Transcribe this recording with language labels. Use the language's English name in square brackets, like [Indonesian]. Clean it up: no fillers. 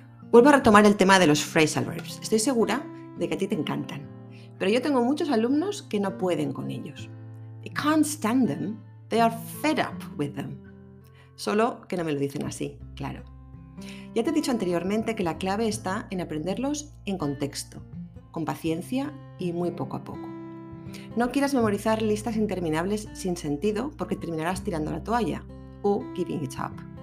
[Spanish] Vuelvo a retomar el tema de los phrasal verbs. Estoy segura de que a ti te encantan, pero yo tengo muchos alumnos que no pueden con ellos. [English] They can't stand them, they are fed up with them. [Spanish] Solo que no me lo dicen así, claro. Ya te he dicho anteriormente que la clave está en aprenderlos en contexto, con paciencia y muy poco a poco. No quieras memorizar listas interminables sin sentido porque terminarás tirando la toalla o [English] giving it up.